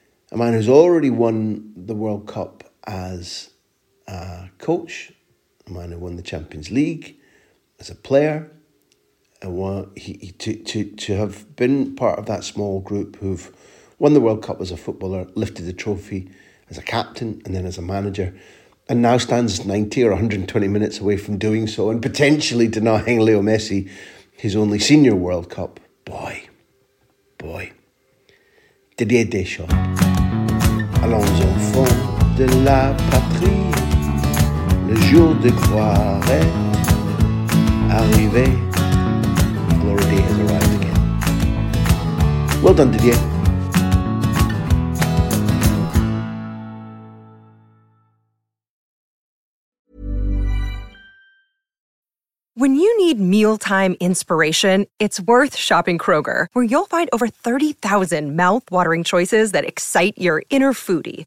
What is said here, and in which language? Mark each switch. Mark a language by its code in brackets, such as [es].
[en] A man who's already won the World Cup as a coach, a man who won the Champions League as a player, to have been part of that small group who've won the World Cup as a footballer, lifted the trophy as a captain and then as a manager, and now stands 90 or 120 minutes away from doing so and potentially denying Leo Messi his only senior World Cup. Boy. Didier Deschamps. [fr] Allons au fond de la patrie, le jour de gloire est arrivé. [en] Glory day has arrived again. Well done, Didier. When you need mealtime inspiration, it's worth shopping Kroger, where you'll find over 30,000 mouthwatering choices that excite your inner foodie.